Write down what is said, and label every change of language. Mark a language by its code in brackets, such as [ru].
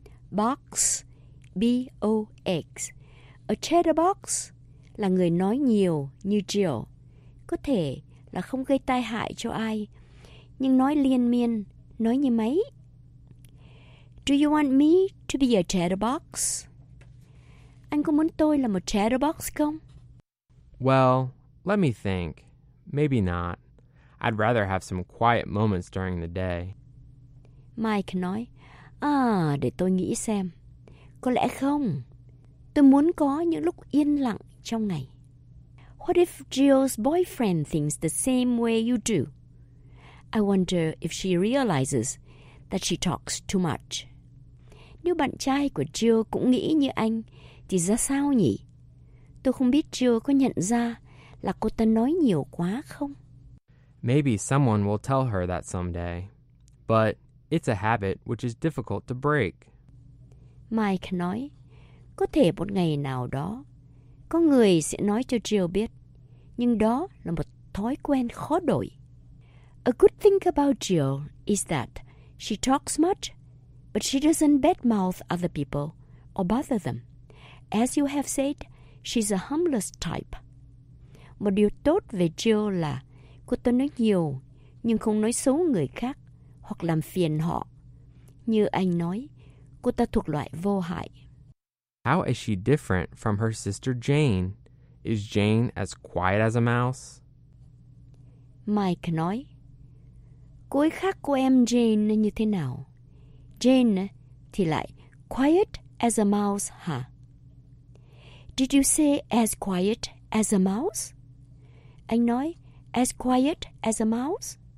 [en] Box, B-O-X. A chatterbox [vi] là người nói nhiều như Jill. Có thể là không gây tai hại cho ai, nhưng nói liên miên, nói như máy. [en] Do you want me to be a chatterbox? [vi] Anh có muốn tôi là một chatterbox không? [en] Well, let me think. Maybe not. I'd rather have some quiet moments during the day. [vi] Mike nói, để tôi nghĩ xem. Có lẽ không. Tôi muốn có những lúc yên lặng trong ngày. [en] What if Jill's boyfriend thinks the same way you do? I wonder if she realizes that she talks too much. [vi] Nếu bạn trai của Jill cũng nghĩ như anh, thì ra sao nhỉ? Tôi không biết Jill có nhận ra là cô ta nói nhiều quá không. [en] Maybe someone will tell her that someday. But it's a habit which is difficult to break. [vi] Mike nói, có thể một ngày nào đó, có người sẽ nói cho Jill biết, nhưng đó là một thói quen khó đổi. [en] A good thing about Jill is that she talks much, but she doesn't badmouth other people or bother them. As you have said, she's a humblest type. [vi] Một điều tốt về Jill là cô ta nói nhiều, nhưng không nói xấu người khác hoặc làm phiền họ. Như anh nói, cô ta thuộc loại vô hại. [en] How is she different from her sister Jane? Is Jane as quiet as a mouse? [vi] Mike nói, cô ấy khác của em Jane như thế nào? Jane thì lại [en] quiet as a mouse, [vi] hả? Huh? [en] Did you say as quiet as a mouse? [vi] Anh nói, [en] as quiet as a mouse?